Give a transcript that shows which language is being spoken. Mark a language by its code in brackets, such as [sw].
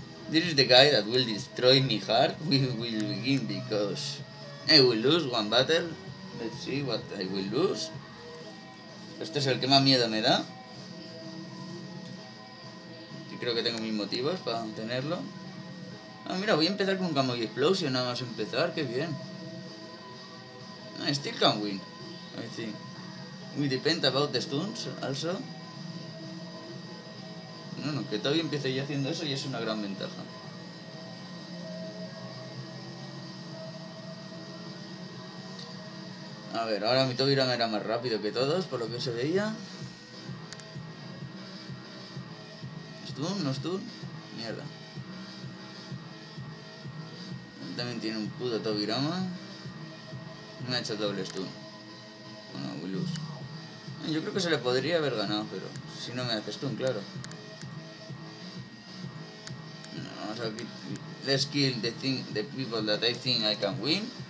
[en] This is the guy that will destroy my heart. We will begin because I will lose one battle. Let's see what I will lose. [es] Este es el que más miedo me da. Creo que tengo mis motivos para tenerlo. Ah, mira, voy a empezar con Camo y Explosion. Nada más empezar, qué bien. Ah, [en] still can win. I think. We depend about the stuns, also. [es] No, no, que todavía empiece yo haciendo eso y es una gran ventaja. A ver, ahora mi Togiram era más rápido que todos, por lo que se veía. ¿Stun? ¿No stun? Mierda. Él también tiene un puto Togirama. Me ha hecho doble stun. [en] Bueno, Willus. [es] Yo creo que se le podría haber ganado, pero si no me hace stun, claro. No, vamos a [en] let's kill the people that I think I can win.